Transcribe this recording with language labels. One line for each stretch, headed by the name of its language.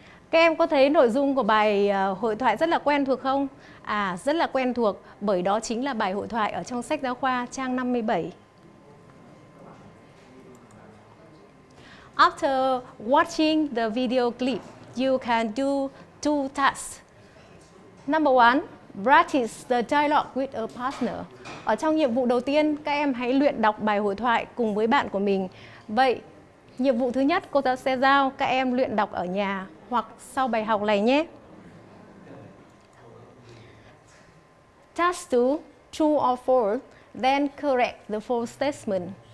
Vietnamese: Các em có thấy nội dung của bài hội thoại rất là quen thuộc không? À, rất là quen thuộc, bởi đó chính là bài hội thoại ở trong sách giáo khoa trang 57.
English: After watching the video clip, you can do two tasks. Number one, practice the dialogue with a partner.
Vietnamese: Ở trong nhiệm vụ đầu tiên, các em hãy luyện đọc bài hội thoại cùng với bạn của mình. Vậy, nhiệm vụ thứ nhất cô giáo sẽ giao các em luyện đọc ở nhà hoặc sau bài học này nhé.
English: Task 2, true or false, then correct the false statement.